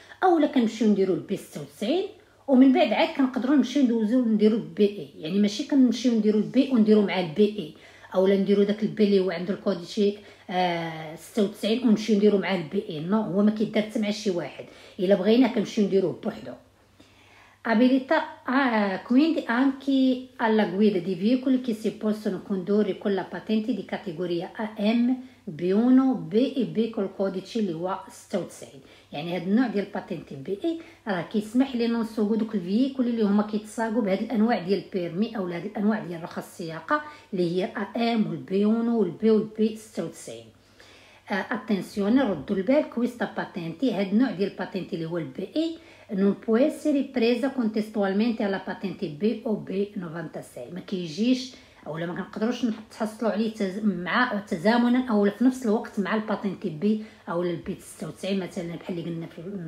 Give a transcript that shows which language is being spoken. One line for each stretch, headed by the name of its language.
Arabic: اولا كنمشيو نديرو البي 96 ومن بعد عاد كنقدروا نمشيو ندوزو نديرو البي اي يعني ماشي كنمشيو نديرو البي ونديرو مع البي اي اولا نديرو داك البي اللي هو عند الكود شي 96 ونمشيو نديرو مع البي اي نو هو ما كيدار مع شي واحد الا بغينا كنمشيو نديرو بوحدو.
Italian: Abilità quindi anche alla guida di veicoli che si possono condurre con la patente di categoria AM, B1, B e B col codice LIWA 96.
Arabic: يعني هاد النوع ديال الباتنتي بي اي راه كيسمح لينا نسوقو دوك الفييكول اللي هما كيتساقوا بهاد الانواع ديال البيرمي اولا هاد الانواع ديال رخص السياقه اللي هي AM والB1 والبي والبي 96.
Italian: Attenzione,
Arabic: ردوا البال
Italian: questa patente
Arabic: هاد النوع ديال الباتنتي اللي هو البي اي
Italian: non può essere presa contestualmente alla patente B o B96
Arabic: ما كيجيش اولا ما كنقدروش نحصلوا عليه مع تزامنا اولا في نفس الوقت مع الباتنتي بي اولا البي 96 مثلا بحال اللي قلنا في